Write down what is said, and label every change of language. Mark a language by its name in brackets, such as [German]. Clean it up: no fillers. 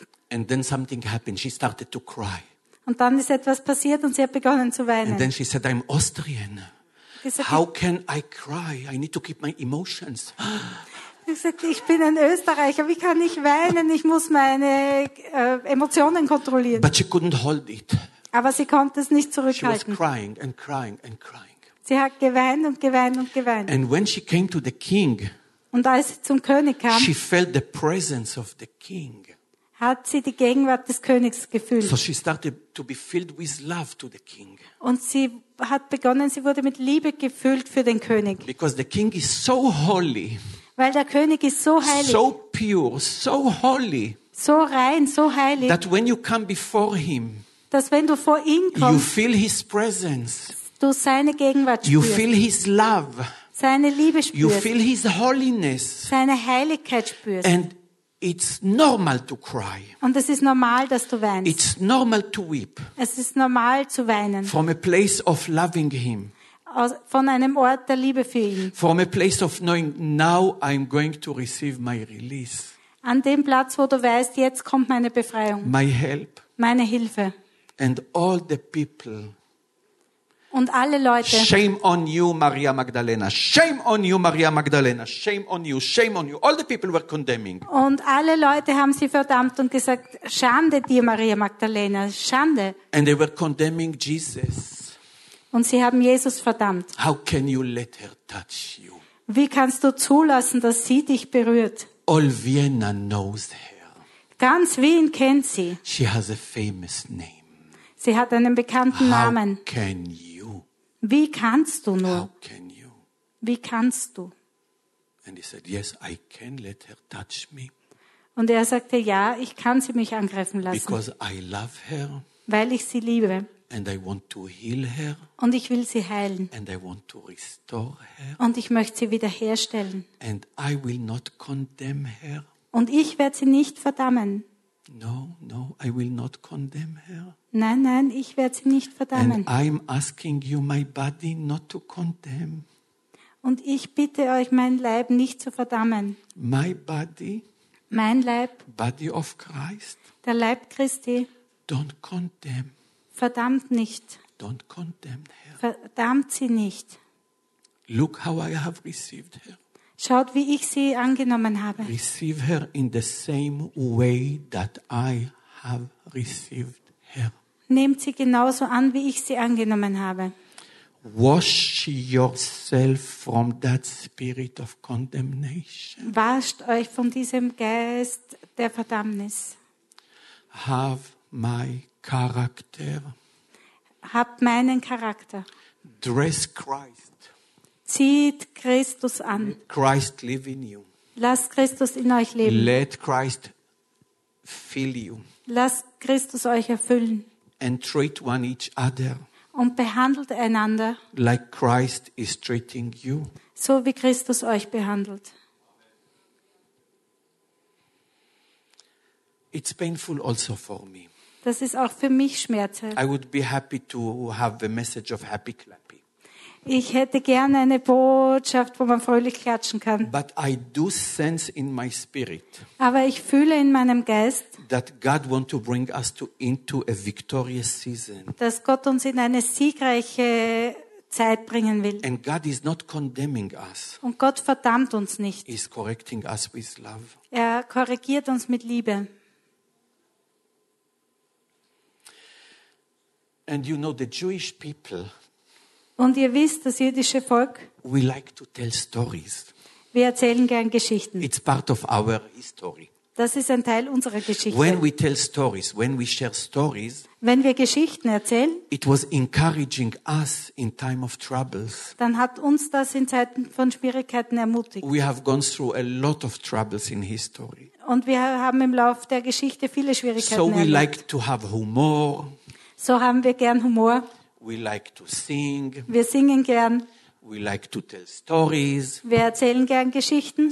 [English] And then something happened. She started to cry. [German] Und dann ist etwas passiert und sie hat begonnen zu weinen. [English] And then she said, I'm Austrian. How can I cry? I need to keep my emotions. [German] Sie sagt, ich bin ein Österreicher. Wie kann ich weinen? Ich muss meine Emotionen kontrollieren. [English] But she couldn't hold it. [German] Aber sie konnte es nicht zurückhalten. [English] She was crying and crying and crying. [German] Sie hat geweint und geweint und geweint. [English] And when she came to the king, [German] und als sie zum König kam, [English] she felt the presence of the king. [German] Hat sie die Gegenwart des Königs gefühlt. [English] So she started to be filled with love to the king. [German] Und sie hat begonnen, sie wurde mit Liebe gefüllt für den König. [English] Because the king is so holy. [German] Weil der König ist so heilig. [English] So pure, so holy. [German] So rein, so heilig. [English] That when you come before him. [German] Dass wenn du vor ihn kommst. [English] You feel his presence. [German] Du seine Gegenwart spürst. [English] You feel his love. [German] Seine Liebe spürst. [English] You feel his holiness. [German] Seine Heiligkeit spürst. [English] And it's normal to cry. [German] Und es ist normal, dass du weinst. [English] It's normal to weep. [German] Es ist normal zu weinen. [English] From a place of loving him. [German] Von einem Ort der Liebe für ihn. [English] From a place of knowing now I'm going to receive my release. [German] An dem Platz, wo du weißt, jetzt kommt meine Befreiung. [English] My help. [German] Meine Hilfe. [English] And all the people. [German] Und alle Leute. [English] Shame on you, Maria Magdalena. Shame on you, Maria Magdalena. Shame on you, shame on you. All the people were condemning. [German] Und alle Leute haben sie verdammt und gesagt, Schande dir, Maria Magdalena, Schande. [English] And they were condemning Jesus. [German] Und sie haben Jesus verdammt. [English] How can you let her touch you? [German] Wie kannst du zulassen, dass sie dich berührt? [English] All Vienna knows her. [German] Ganz Wien kennt sie. [English] She has a famous name. [German] Sie hat einen bekannten [English] How [German] Namen. [English] How can you? [German] Wie kannst du nur? [English] How can you? [German] Wie kannst du? [English] And he said, yes, I can let her touch me. [German] Und er sagte, ja, ich kann sie mich angreifen lassen. [English] Because I love her. [German] Weil ich sie liebe. [English] And I want to heal her. [German] Und ich will sie heilen. [English] And I want to restore her. [German] Und ich möchte sie wiederherstellen. [English] And I will not condemn her. [German] Und ich werde sie nicht verdammen. [English] No, no, I will not condemn her. [German] Nein, nein, ich werde sie nicht verdammen. [English] And I'm asking you, my body, not to condemn. [German] Und ich bitte euch, mein Leib nicht zu verdammen. [English] My body. [German] Mein Leib. [English] Body of Christ. [German] Der Leib Christi. [English] Don't condemn. [German] Verdammt nicht. [English] Don't condemn her. [German] Verdammt sie nicht. [English] Look how I have received her. [German] Schaut, wie ich sie angenommen habe. [English] Receive her in the same way that I have received her. [German] Nehmt sie genauso an, wie ich sie angenommen habe. [English] Wash yourself from that spirit of condemnation. [German] Wascht euch von diesem Geist der Verdammnis. [English] Have my character. [German] Habt meinen Charakter. [English] Dress Christ. [German] Zieht Christus an. [English] Christ live in you. [German] Lasst Christus in euch leben. [English] Let Christ fill you. [German] Lasst Christus euch erfüllen. [English] And treat one each other. [German] Und behandelt einander. [English] Like Christ is treating you. [German] So wie Christus euch behandelt. [English] It's painful also for me. [German] Das ist auch für mich schmerzhaft. [English] I would be happy to have the message of happy clappy. [German] Ich hätte gerne eine Botschaft, wo man fröhlich klatschen kann. [English] But I do sense in my spirit. [German] Aber ich fühle in meinem Geist. [English] That God want to bring us to into a victorious season. [German] Dass Gott uns in eine siegreiche Zeit bringen will. [English] And God is not condemning us. [German] Und Gott verdammt uns nicht. [English] He's correcting us with love. [German] Er korrigiert uns mit Liebe. [English] And you know the Jewish people. [German] Und ihr wisst, das jüdische Volk. [English] We like to tell stories. [German] Wir erzählen gern Geschichten. [English] It's part of our history. [German] Das ist ein Teil unserer Geschichte. [English] When we tell stories, when we share stories. [German] Wenn wir Geschichten erzählen. [English] It was encouraging us in time of troubles. [German] Dann hat uns das in Zeiten von Schwierigkeiten ermutigt. [English] We have gone through a lot of troubles in history. [German] Und wir haben im Lauf der Geschichte viele Schwierigkeiten [English] so [German] erlebt. [English] So we like to have humor. [German] So haben wir gern Humor. [English] We like to sing. [German] Wir singen gern. [English] We like to tell stories. [German] Wir erzählen gern Geschichten.